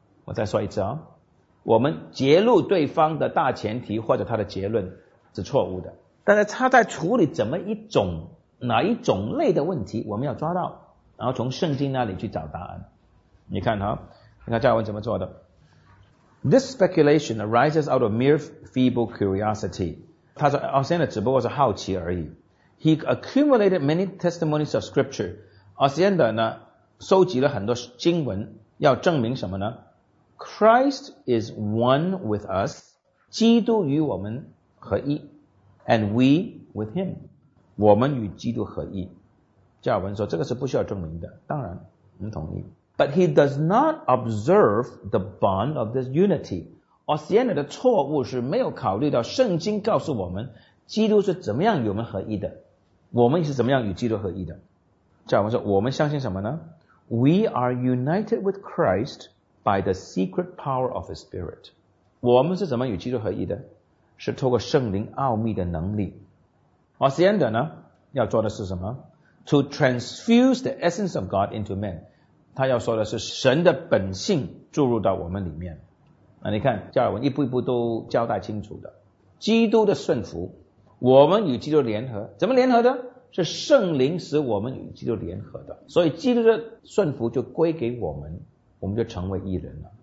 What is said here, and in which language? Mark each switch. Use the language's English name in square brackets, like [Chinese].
[Chinese] 我再说一次哦，我们揭露对方的大前提或者他的结论是错误的，但是他在处理怎么一种哪一种类的问题，我们要抓到，然后从圣经那里去找答案。你看哈，你看加尔文怎么做的。 [English] This speculation arises out of mere feeble curiosity. [Chinese] 他说Osiander只不过是好奇而已。 [English] He accumulated many testimonies of scripture. [Chinese] Osiander呢，收集了很多经文，要证明什么呢？ [English] Christ is one with us. [Chinese] 基督与我们合一。 [English] And we with him. [Chinese] 我们与基督合一。加尔文说这个是不需要证明的，当然我们同意。 [English] But he does not observe the bond of this unity. [Chinese] Osiander 的错误是没有考虑到圣经告诉我们基督是怎么样与我们合一的，我们是怎么样与基督合一的。加尔文说我们相信什么呢？ [English] We are united with Christ by the secret power of his spirit. [Chinese] 我们是怎么与基督合一的？是透过圣灵奥秘的能力。 Osiander 呢要做的是什么？ [English] To transfuse the essence of God into man. [Chinese] 他要说的是神的本性注入到我们里面。那你看加尔文一步一步都交代清楚的。基督的顺服，我们与基督联合。怎么联合的？是圣灵使我们与基督联合的。所以基督的顺服就归给我们，我们就成为义人了。